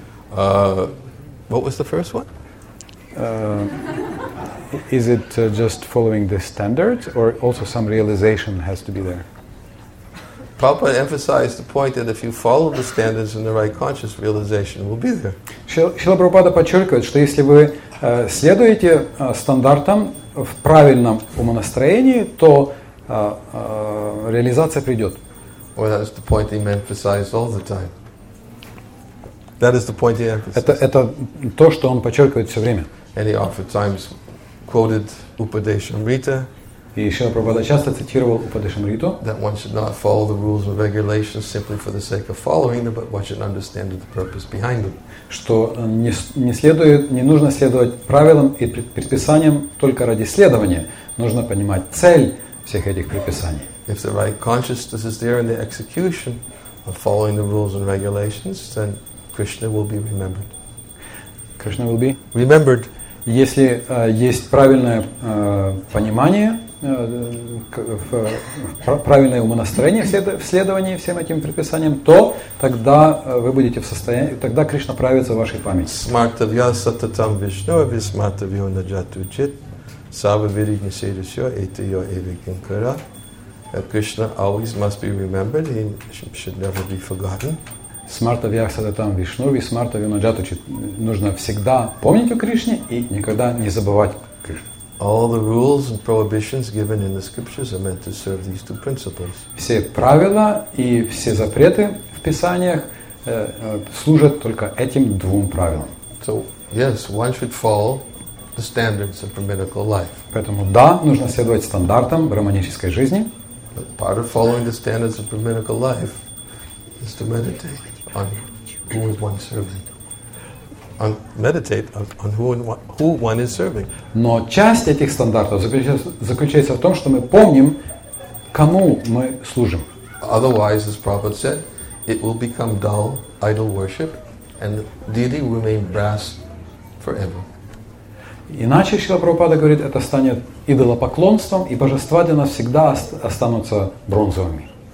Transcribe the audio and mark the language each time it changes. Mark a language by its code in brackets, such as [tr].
[en] What was the first one? Is it just following the standards, or also some realization has to be there? Prabhupada emphasized the point that if you follow the standards in the right conscious realization will be there. [ru] Шрила Прабхупада подчеркивает, что если вы следуете стандартам в правильном умонастроении, то реализация придет. [en] Well, that is the point he emphasized all the time. That is the point he emphasized. [ru] Это то, что он подчеркивает все время. [en] And he oftentimes quoted Upadeshamrita. [ru] И Шрила Прабхупада часто цитировал Упадешамриту. [en] That one should not follow the rules and regulations simply for the sake of following them, but one should understand the purpose behind them. [ru] Что не нужно следовать правилам и предписаниям только ради следования. Нужно понимать цель всех этих предписаний. [en] If the right consciousness is there in the execution of following the rules and regulations, then Krishna will be remembered. Krishna will be remembered. [ru] Если есть правильное понимание правильное умонастроение в следовании всем этим предписаниям, то тогда вы будете в состоянии, тогда Кришна проявится в вашей памяти. [sa] Смартавья сататам вишну, висматавью наджату чит, сававири несерисё, этийо эвикинкара. [en] Krishna always must be remembered, he should never be forgotten. [sa] Смарта вьяхсада там вишнурви, смарта вьюнаджату чит. [ru] Нужно всегда помнить о Кришне и никогда не забывать Кришну. [en] All the rules and prohibitions given in the scriptures are meant to serve these two principles. [ru] Все правила и все запреты в писаниях служат только этим двум правилам. [en] So, yes, one should follow the standards of brahminical life. [ru] Поэтому да, нужно следовать стандартам брахманической жизни. [en] But part of following the standards of brahminical life is to meditate on who is one serving. On meditate on who one is serving. [ru] Но часть этих стандартов заключается в том, что мы помним, кому мы служим. [en] Otherwise, as Prabhupada said, it will become dull, idle worship, and the deity will remain brass forever. [ru] Иначе, Шрила Прабхупада говорит, это станет идолопоклонством, и божества для нас всегда останутся бронзовыми.